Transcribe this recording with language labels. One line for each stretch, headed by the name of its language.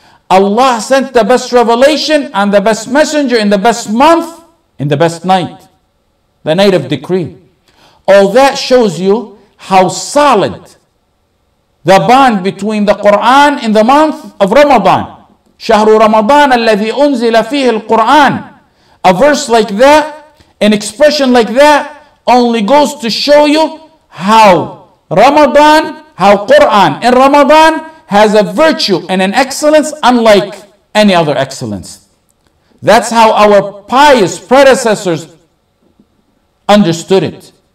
English: Allah sent the best revelation and the best messenger in the best month, in the best night, the night of decree. All that shows you how solid the bond between the Quran and the month of Ramadan.
Arabic: شهر رمضان الذي أنزل فيه القرآن.
English: A verse like that, an expression like that, only goes to show you how Quran in Ramadan has a virtue and an excellence unlike any other excellence. That's how our pious predecessors understood it.